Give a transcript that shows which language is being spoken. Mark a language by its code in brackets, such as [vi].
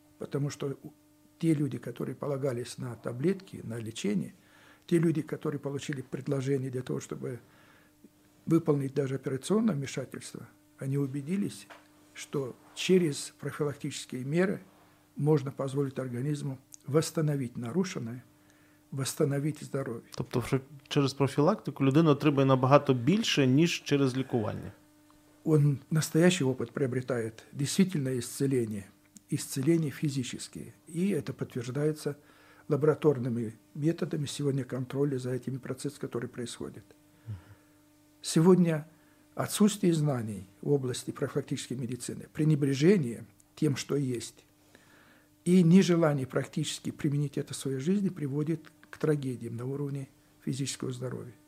[ru] Потому что те люди, которые полагались на таблетки, на лечение, те люди, которые получили предложение для того, чтобы выполнить даже операционное вмешательство, они убедились, что через профилактические меры можно позволить организму восстановить нарушенное, восстановить здоровье. То есть через профилактику [uk] людина требует набагато больше, ніж через лікування. [ru] Он настоящий опыт приобретает действительное исцеление, исцеление физическое, и это подтверждается лабораторными методами сегодня контроля за этими процессами, которые происходят. Сегодня отсутствие знаний в области профилактической медицины, пренебрежение тем, что есть, и нежелание практически применить это в своей жизни приводит к трагедиям на уровне физического здоровья.